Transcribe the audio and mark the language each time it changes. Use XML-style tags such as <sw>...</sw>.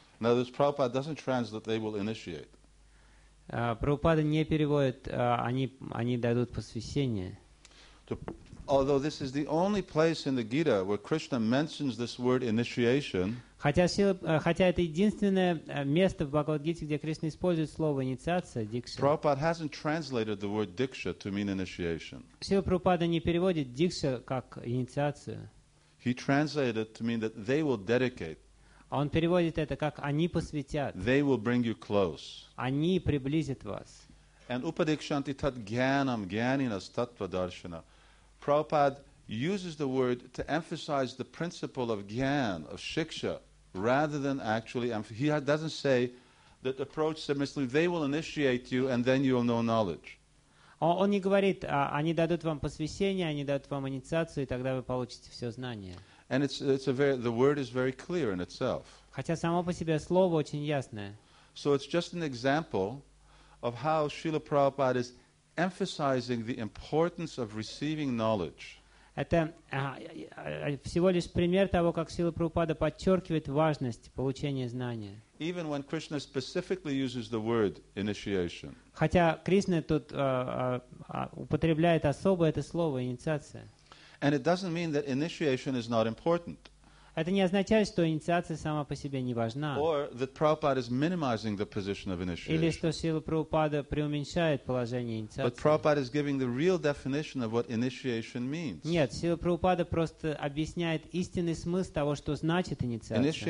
<en>Now, this Prabhupada doesn't translate, they will initiate.</en> <ru>Прабхупада не переводит, они дадут посвящение.</ru> <en>Although this is the only place in the Gita where Krishna mentions this word initiation,</en> <ru>хотя это единственное место в Бхагавад-гите, где Кришна использует слово инициация, дикша.</ru> <en>Prabhupada hasn't translated the word diksha to mean initiation.</en> <ru>Шрила Прабхупада не переводит дикша как инициацию.</ru> <en>He translated it to mean that they will dedicate.</en> <ru>Он переводит это как они посвятят.</ru> <en>They will bring you close.</en> <ru>Они приблизят вас.</ru> <sa>And upadikshanti tat gyanam gyanina tattva darshana.</sa> <en>Prabhupada uses the word to emphasize the principle of gyan, of shiksha, rather than actually, he doesn't say that approach submissively, they will initiate you and then you will know knowledge.</en> <ru>Он не говорит, они дадут вам посвящение, они дадут вам инициацию, и тогда вы получите все знание.</ru> <en>And the word is very clear in itself.</en> <ru>Хотя само по себе слово очень ясное.</ru> <en>So it's just an example of how Srila Prabhupada is emphasizing the importance of receiving knowledge.</en> <ru>Это всего лишь пример того, как Сила Прабхупада подчеркивает важность получения знания.</ru> <en>Even when Krishna specifically uses the word initiation.</en> <ru>Хотя Кришна тут употребляет особо это слово инициация.</ru> <en>And it doesn't mean that initiation is not important.</en> <ru>Это не означает, что инициация сама по себе не важна. Или что Шрила Прабхупада преуменьшает положение инициации. Нет, Шрила Прабхупада просто объясняет истинный смысл того, что значит инициация.</ru>